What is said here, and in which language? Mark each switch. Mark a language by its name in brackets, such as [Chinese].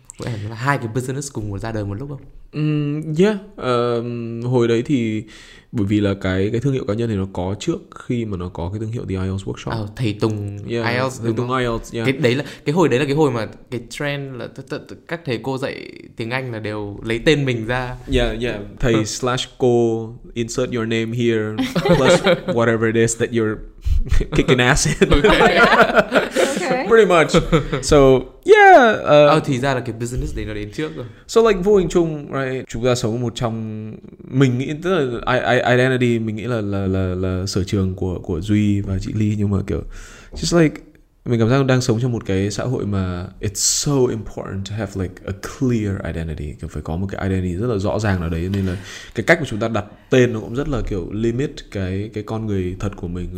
[Vietnamese] Có thể là hai cái business cùng ra đời một lúc không? Hồi đấy thì bởi vì là cái thương hiệu cá nhân thì nó có trước khi mà nó có cái thương hiệu The IELTS Workshop. Thầy Tùng IELTS. Thầy Tùng IELTS. Yeah. Cái hồi đấy là cái hồi mà cái trend là các thầy cô dạy tiếng Anh là đều lấy tên mình ra. [English] Yeah. [Vietnamese] Thầy / cô [English] insert your name here plus whatever it is that you're kicking ass in. Pretty much. So yeah. [Vietnamese] Thì ra là cái business đấy nó đến trước rồi. [English] So like [Vietnamese] vô hình chung, right? Chúng ta sống một trong mình nghĩ tức là identity mình nghĩ là sở trường của Duy và chị Ly, nhưng mà kiểu [English] just like [Vietnamese] mình cảm giác đang sống trong một cái xã hội mà [English] it's so important to have like a clear identity, [Vietnamese] kiểu phải có một cái identity rất là rõ ràng ở đấy, nên là cái cách mà chúng ta đặt tên nó cũng rất là kiểu limit cái con người thật của mình.